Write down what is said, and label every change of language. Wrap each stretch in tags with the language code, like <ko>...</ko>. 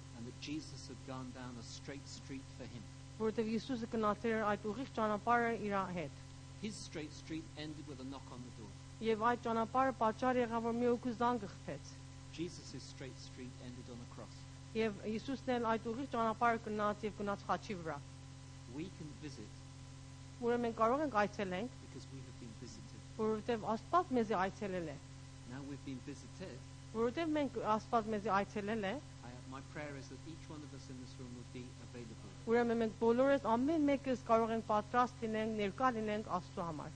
<hy>որովհետև Հիսուսը գնացել էր այդ ուղիղ ճանապարհը իր հետ։</hy> <en>His straight street ended with a knock on the door.</en> <hy>Եվ այդ ճանապարհը պատճառ եղավ, որ մի օգու զանգ խփեց։</hy> <en>Jesus's straight street ended on a cross.</en> <hy>Եվ Հիսուսն էլ այդ ուղիղ ճանապարհը գնաց եւ գնաց խաչի վրա։</hy> <en>We can visit.</en> <hy>Ուրեմն մենք կարող ենք այցելենք։</hy> <en>Because we have been visited.</en> <hy>Որովհետեւ Աստված մեզ այցելել է։</hy> <en>Now we've been visited.</en> <hy>Որովհետեւ մենք Աստված մեզ այցելել է։</hy> <en>My prayer is that each one of us in this room would be available.</en> <hy>Ուրեմն մենք բոլորս ամեն մեկս կարող ենք պատրաստ լինենք ներկա լինենք Աստծո համար։</hy>